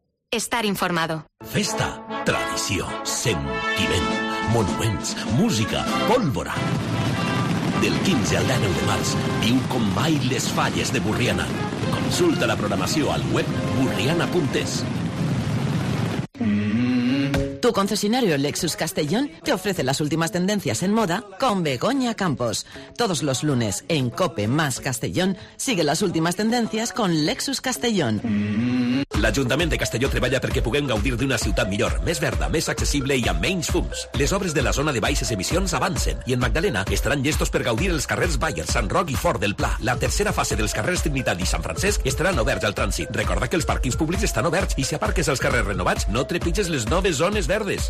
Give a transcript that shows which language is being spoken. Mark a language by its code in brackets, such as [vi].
[es] Estar informado. [ca] Festa, tradició, sentiment, monuments, música, pólvora. Del 15 al 19 de març, viu com mai les falles de Burriana. Consulta la programació al web burriana.es. [es] Tu concesionario Lexus Castellón te ofrece las últimas tendencias en moda con Begoña Campos. Todos los lunes en COPE más Castellón sigue las últimas tendencias con Lexus Castellón. [ca] L'Ajuntament de Castelló treballa perquè puguem gaudir d'una ciutat millor, més verda, més accessible i amb menys fums. Les obres de la zona de baixes emissions avancen i en Magdalena estaran llestos per gaudir els carrers Bayer, Sant Roc i Fort del Pla. La tercera fase dels carrers Trinitat i Sant Francesc estaran oberts al trànsit. Recorda que els pàrquings públics estan oberts i si aparques als carrers renovats, no trepitges les noves zones verdes.